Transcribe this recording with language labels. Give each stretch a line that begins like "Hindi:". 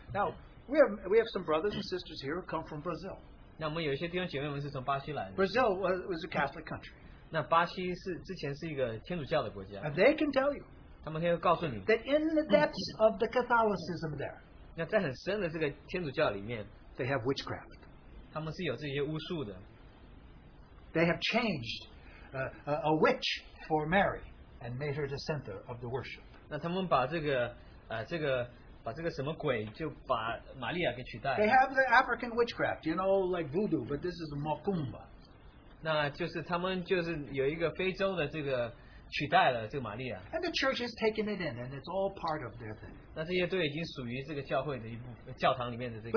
English: Now, we have some brothers and sisters here who come from Brazil.
Chinese: 那我们有一些弟兄姐妹们是从巴西来的。
English: Brazil was a Catholic country.
Chinese: 那巴西是之前是一个天主教的国家。
English: And they can tell you,
Chinese: 他们可以告诉你,
English: that in the depths of the Catholicism there,
Chinese: 那在很深的这个天主教里面,
English: they have witchcraft.
Chinese: 他们是有这些巫术的。
English: They have changed a witch for Mary and made her the center of the worship.
Chinese: 那他们把这个什么鬼就把玛利亚给取代了。
English: They have the African witchcraft, you know, like voodoo, but this is Mokumba.
Chinese: 那就是他们就是有一个非洲的这个取代了这个玛利亚。
English: And the church has taken it in, and it's all part of their thing.
Chinese: 那这些都已经属于这个教会的一部分，教堂里面的这个。